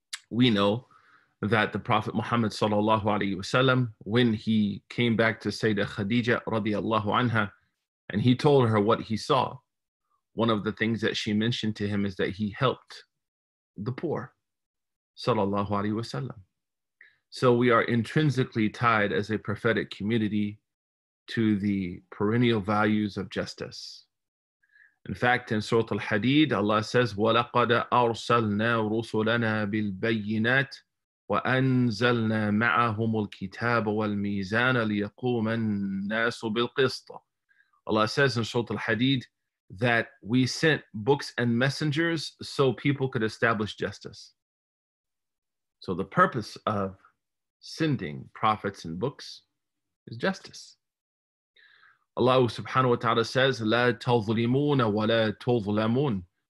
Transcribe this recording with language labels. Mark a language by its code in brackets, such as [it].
[en] We know that the Prophet Muhammad sallallahu alaihi wasallam, when he came back to Sayyidah Khadija radiallahu anha, and he told her what he saw, one of the things that she mentioned to him is that he helped the poor, sallallahu alaihi wasallam. So we are intrinsically tied as a prophetic community to the perennial values of justice. In fact, in Surah Al-Hadid, Allah says, [ar] وَلَقَدَ أَرْسَلْنَا رُسُلَنَا بِالْبَيِّنَاتِ وَأَنزَلْنَا مَعَهُمُ الْكِتَابَ وَالْمِيزَانَ لِيَقُومَ النَّاسُ بِالْقِسْطَ. [en] Allah says in Surah Al-Hadid that we sent books and messengers so people could establish justice. So the purpose of sending prophets and books is justice. Allah subhanahu wa ta'ala says, [ar] لَا تَظْلِمُونَ وَلَا تُظْلَمُونَ.